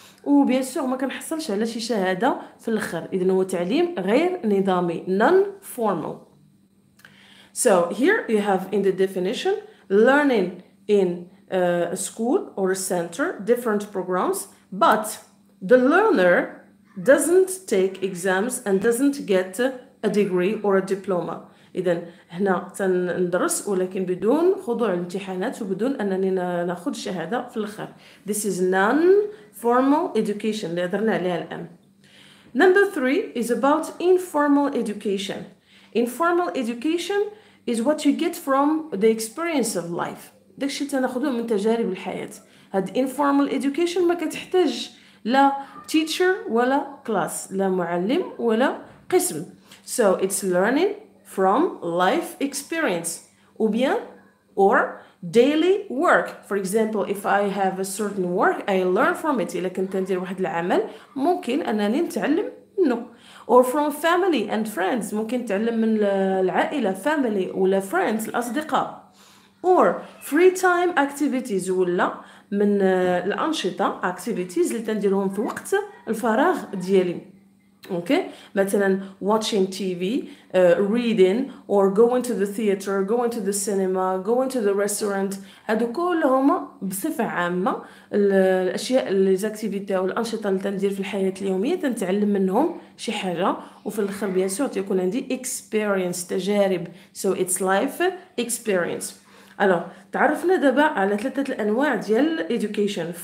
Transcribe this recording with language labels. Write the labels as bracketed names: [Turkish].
[Arabic] وبيان سور ما كنحصلش على شي شهادة في الاخر. إذن هو تعليم غير نظامي. Non-formal. [English] So here you have in the definition learning in a school or a center, different programs, but the learner doesn't take exams and doesn't get a degree or a diploma. [Arabic] إذن هنا تندرس ولكن بدون خضوع الامتحانات وبدون أنني نأخذ شهادة في الأخر. [English] This is non-formal education. [Arabic] اللي أدرنا عليها الآن. [English] Number three is about informal education. Informal education is what you get from the experience of life. [Arabic] داك الشيء تناخذه من تجارب الحياة. هاد informal education ما كتحتاج لا teacher ولا class. لا معلم ولا قسم. [English] So it's learning from life experience, ou bien, or daily work. For example, if I have a certain work, I learn from it. [Arabic] إلا كنت ندير واحد العمل, ممكن أنني نتعلم منه. [English] Or from family and friends, [Arabic] ممكن نتعلم من العائلة, [English] family, ولا friends, الأصدقاء. Or free time activities, [Arabic] ولا من الأنشطة, activities, اللي تنديرهم في وقت الفراغ ديالي. [English] Okay, مثلا watching TV, reading, or going to the theater, going to the cinema, going to the restaurant. [Arabic] هادو كلهم بصفة عامة الأشياء الأكتيفيتي أو الأنشطة اللي تندير في الحياة اليومية تنتعلم منهم شي حاجة وفي الأخر بيان سور تيكون عندي experience تجارب. [English] So it's life experience. [Arabic] Alors, تعرفنا دابا على ثلاثة الأنواع ديال education.